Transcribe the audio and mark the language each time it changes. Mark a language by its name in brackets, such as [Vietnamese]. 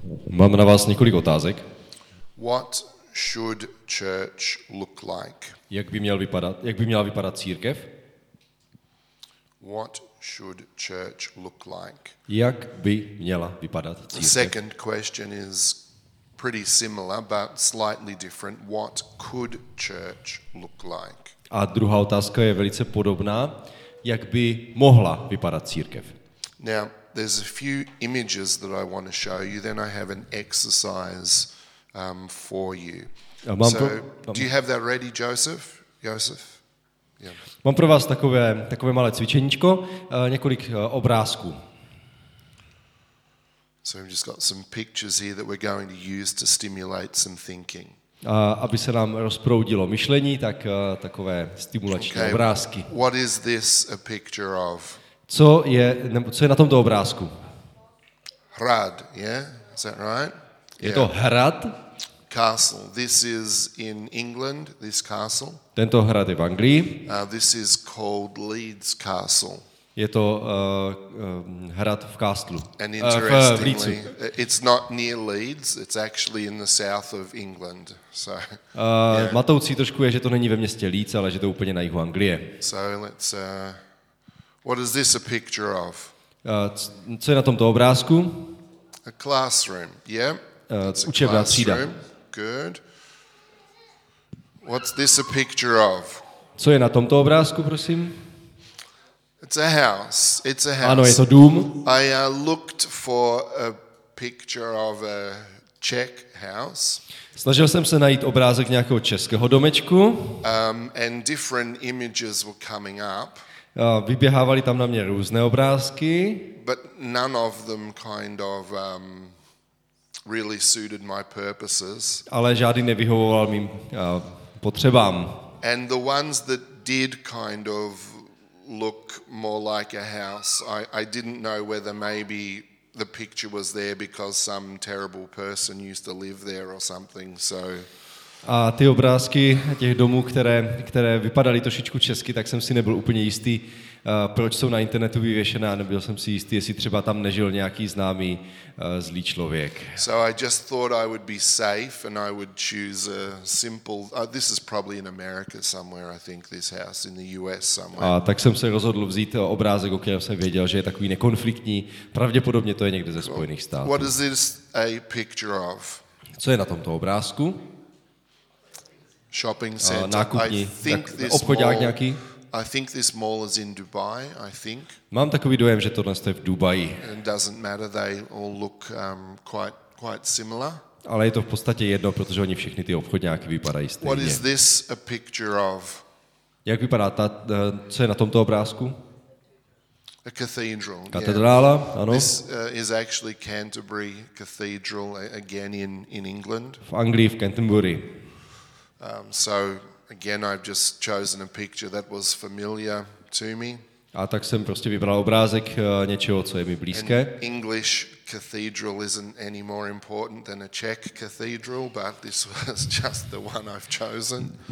[Czech] Mám na vás několik otázek. [English] What should church look like? [Czech] Jak by měla vypadat církev? [English] What should church look like? [Czech] Jak by měla vypadat církev? [English] The second question is pretty similar but slightly different. What could church look like? [Czech] A druhá otázka je velice podobná. Jak by mohla vypadat církev? [English] Now, there's a few images that I want to show you, then I have an exercise for you. Do you have that ready, Joseph? Joseph? Yeah. [Czech] Mám pro vás takové malé cvičeníčko, několik obrázků. [English] So we've just got some pictures here that we're going to use to stimulate some thinking. [Czech] Aby se nám rozproudilo myšlení, tak takové stimulační obrázky. [English] What is this a picture of? [Czech] Co je na tomto obrázku? [English] Hrad, yeah? Is that right? [Czech] Je to hrad? [English] Castle. This is in England, this castle. [Czech] Tento hrad je v Anglii. [English] This is called Leeds Castle. [Czech] Je to hrad v Castlu. [English] And interestingly, it's not near Leeds, it's actually in the south of England. So, yeah. [Czech] Matoucí trošku je, že to není ve městě Leeds, ale že to je úplně na jihu Anglie. [English] So let's, what is this a picture of? [Czech] Co je na tomto obrázku? [English] A classroom, yeah. It's učebná a classroom. Třída. Good. What's this a picture of? [Czech] Co je na tomto obrázku, prosím? [English] It's a house. It's a house. [Czech] Ano, je to dům. [English] I looked for a picture of a Czech house. [Czech] Snažil jsem se najít obrázek nějakého českého domečku. [English] And different images were coming up. [Czech] Vyběhávaly tam na mě různé obrázky. [English] But none of them kind of really suited my purposes. [Czech] Ale žádný nevyhovoval mým potřebám. [English] And the ones that did kind of look more like a house. I didn't know whether maybe the picture was there because some terrible person used to live there or something. So. [Czech] A ty obrázky těch domů, které vypadaly trošičku česky, tak jsem si nebyl úplně jistý, proč jsou na internetu vyvěšené, nebyl jsem si jistý, jestli třeba tam nežil nějaký známý zlý člověk. [English] So I just thought I would be safe and I would choose a simple this is probably in America somewhere, I think this house in the US somewhere. [Czech] A tak jsem se rozhodl vzít obrázek, o kterém jsem věděl, že je takový nekonfliktní, pravděpodobně to je někde ze Spojených států. [English] What is this a picture of? [Czech] Co je na tomto obrázku? [English] Shopping center. [Czech] Nákupní. Obchodák nějaký. [English] I think this mall is in Dubai, I think. [Czech] Mám takový dojem, že tohle je v Dubaji. [English] It doesn't matter, they all look quite similar. [Czech] Ale je to v podstatě jedno, protože oni všichni ty obchodňáky vypadají stejně. [English] What is this a picture of? [Czech] Jak vypadá ta, co je na tomto obrázku? [English] A cathedral. [Czech] Katedrála, [English] yeah. [Czech] Ano. [English] This is actually Canterbury Cathedral, again in England. [Czech] V Anglii, v Canterbury. [English] So again I've just chosen a picture that was familiar to me. [Czech] A tak jsem prostě vybral obrázek něčeho, co je mi blízké. [English] An English cathedral isn't any more important than a Czech cathedral, but this was just the one I've chosen.